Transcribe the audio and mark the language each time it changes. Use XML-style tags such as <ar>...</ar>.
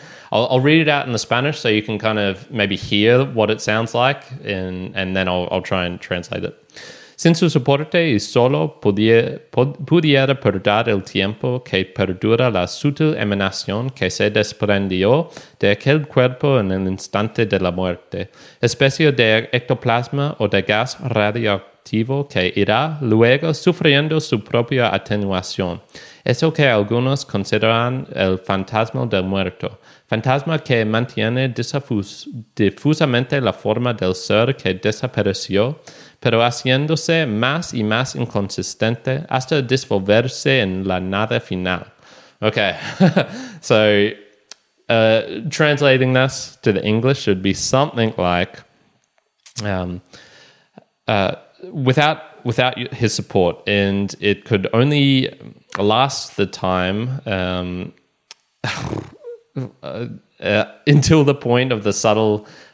<en>I'll read it out in the Spanish so you can kind of maybe hear what it sounds like, and then I'll try and translate it.</en> <es>Sin su soporte y solo pudiera perdurar el tiempo que perdura la sutil emanación que se desprendió de aquel cuerpo en el instante de la muerte, especie de ectoplasma o de gas radioactivo que irá luego sufriendo su propia atenuación. Eso que algunos consideran el fantasma del muerto, fantasma que mantiene difusamente la forma del ser que desapareció, pero haciéndose más y más inconsistente hasta disolverse en la nada final.</es> <en>Okay, so translating this to the English should be something like, without his support, and it could only last the time until the point of the subtle</en>